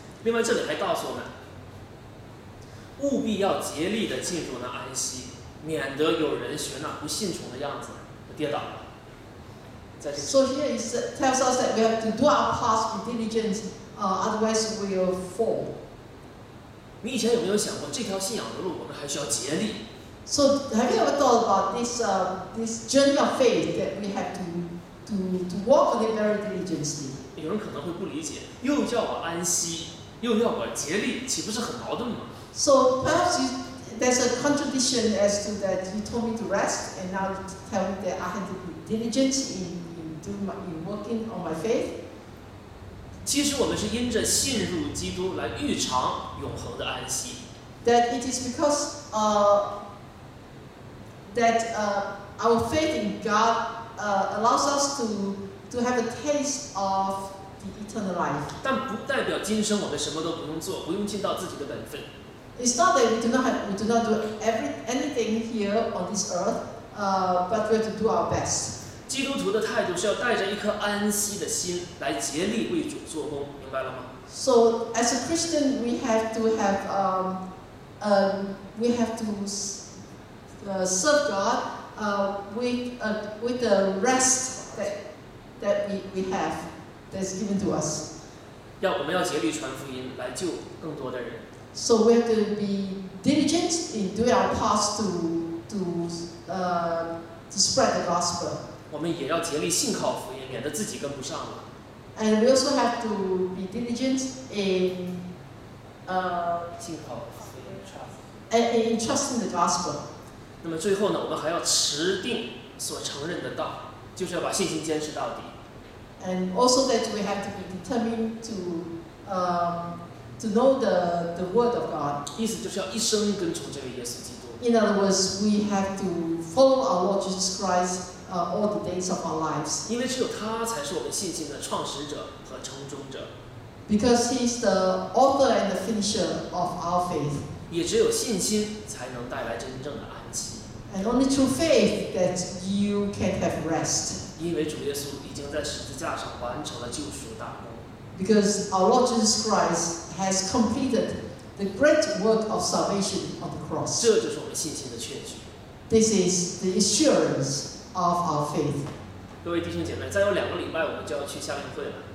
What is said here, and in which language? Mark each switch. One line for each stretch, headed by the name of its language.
Chinese: 另外，这里还告诉我们，务必要竭力的进入那安息，免得有人学那不信从的样子跌倒了。在这。
English: So here it tells us that we have to do our part with diligence, otherwise we will fall.
Chinese: 你以前有没有想过这条信仰的路，我们还需要竭力
English: ？So have you ever thought about this this journey of faith that we have to walk with very diligently？
Chinese: 有人可能会不理解，又叫我安息，又要我竭力，岂不是很矛盾吗
English: ？So perhaps there's a contradiction as to that you told me to rest and now tell me that I have to be diligent in working on my faith。
Chinese: 其实我们是因着信入基督来预尝永恒的安息。
English: That it is because our faith in God allows us to have a taste of the eternal life.
Chinese: 但不代表今生我们什么都不用做，不用尽到自己的本分。
English: It's not that we do not do anything here on this earth, but we have to do our best.
Chinese: 基督徒的态度是要带着一颗安息的心来竭力为主做工，明白了吗
English: ？So as a Christian, we have to have serve God with the rest that we have that's given to us.
Chinese: 要我们要竭力传福音，来救更多的人。
English: So we have to be diligent in doing our part to spread the gospel.
Chinese: 我们也要竭力信靠福音，免得自己跟不上了。
English: And we also have to be diligent in
Chinese: 信靠福音
English: in trusting the gospel.
Chinese: 那么最后呢，我们还要持定所承认的道，就是要把信心坚持到底。
English: And also that we have to be determined to know the word of God.
Chinese: 意思就是要一生跟从这位耶稣基督。
English: In other words, we have to follow our Lord Jesus Christ. All the days of our lives.
Chinese: 因为只有他才是我们信心的创始者和成终者。
English: Because he is the author and the finisher of our faith.
Chinese: 也只有信心才能带来真正的安息。
English: And only through faith that you can have rest.
Chinese: 因为主耶稣已经在十字架上完成了救赎大功。
English: Because our Lord Jesus Christ has completed the great work of salvation on the cross.
Chinese: 这就是我们信心的确据。
English: This is the assurance. Of our faith.
Chinese: 各位弟兄姐妹，再有两个礼拜我们就要去夏令会了。